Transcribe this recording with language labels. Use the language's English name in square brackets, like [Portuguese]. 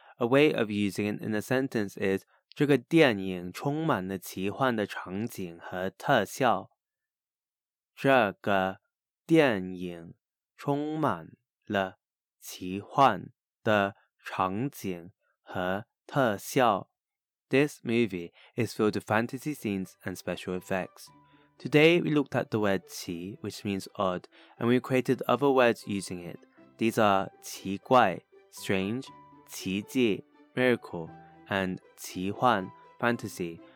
[English] A way of using it in a sentence is [Chinese] 这个电影充满了奇幻的场景和特效。这个电影充满了奇幻的场景和特效。 [English] This movie is filled with fantasy scenes and special effects. Today, we looked at the word 奇, which means odd, and we created other words using it. These are 奇怪, strange, 奇迹, miracle, and 奇幻, fantasy.